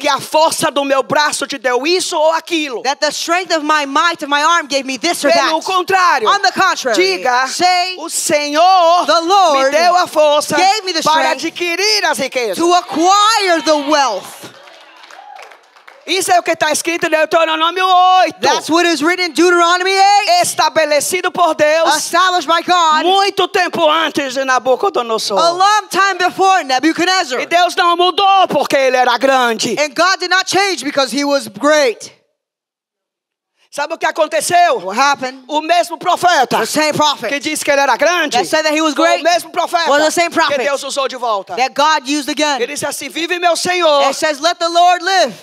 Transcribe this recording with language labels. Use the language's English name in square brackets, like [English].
[Portuguese] Que a força do meu braço te deu isso ou aquilo. [English] That the strength of my might of my arm gave me this or [Portuguese] pelo [English] that. [Portuguese] Pelo contrário. [English] On the contrary. [Portuguese] Diga. [English] Say. [Portuguese] O Senhor. [English] The Lord. [Portuguese] Me deu a força. [English] Gave me the [Portuguese] para [English] strength. [Portuguese] Para adquirir as riquezas. [English] To acquire the wealth. [Portuguese] Isso é o que está escrito em Deuteronômio 8. [English] That's what is written in Deuteronomy 8. [Portuguese] Estabelecido por Deus. [English] Established by God. [Portuguese] Muito tempo antes de Nabucodonosor. [English] A long time before Nebuchadnezzar. [Portuguese] E Deus não mudou porque ele era grande. [English] And God did not change because he was great. [Portuguese] Sabe o que aconteceu? [English] What happened? [Portuguese] O mesmo profeta. [English] The same prophet. [Portuguese] Que disse que ele era grande. [English] That said that he was great. [Portuguese] O mesmo profeta. [English] Was the same prophet. [Portuguese] Que Deus usou de volta. [English] That God used again. [Portuguese] Ele disse assim, vive meu Senhor. [English] It says, let the Lord live.